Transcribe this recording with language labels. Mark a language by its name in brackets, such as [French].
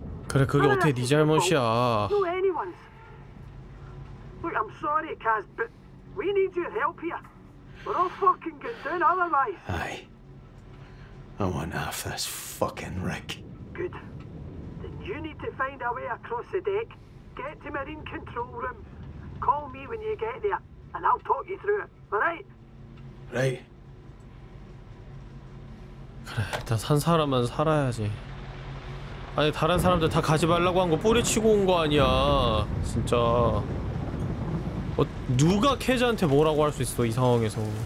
[Korean] 그래, 그게 어떻게 네 잘못이야. [English] Look, I'm sorry, Kaz, but we need your help here. We're all fucking get down otherwise. Aye. I want half this fucking wreck. Good. Then you need to find a way across the deck. Get to marine control room. Call me when you get there, and I'll talk you through it. Alright? Right. [Korean] 그래, 일단 산 사람은 살아야지. 아니 다른 사람들 다 가지 말라고 한 거 뿌리치고 온 거 아니야. 진짜. 어, 누가 캐즈한테 뭐라고 할 수 있어 이 상황에서.